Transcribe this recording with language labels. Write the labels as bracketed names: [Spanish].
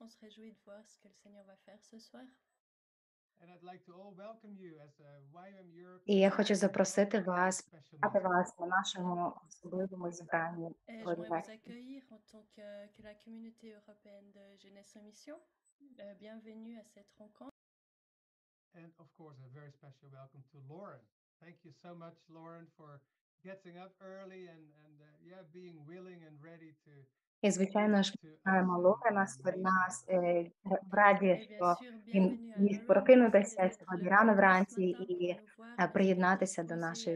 [French] On se réjouit de voir ce que le Seigneur va faire ce soir. [English] And I'd like to all welcome you as a YWAM Europe. [Ukrainian] І я хочу запросити вас, привітати вас на нашому особливому зібранні. [French] Je vous accueillir en tant que la communauté européenne de Jeunesse en Mission. Bienvenue à cette rencontre. [English] And of course, a very special welcome to Lauren. Thank you so much, Lauren, for getting up early and being willing and ready to. [Ukrainian] І, звичайно ж, Лорена серед нас в раді, що він міг прокинутися сьогодні рано вранці і приєднатися до нашої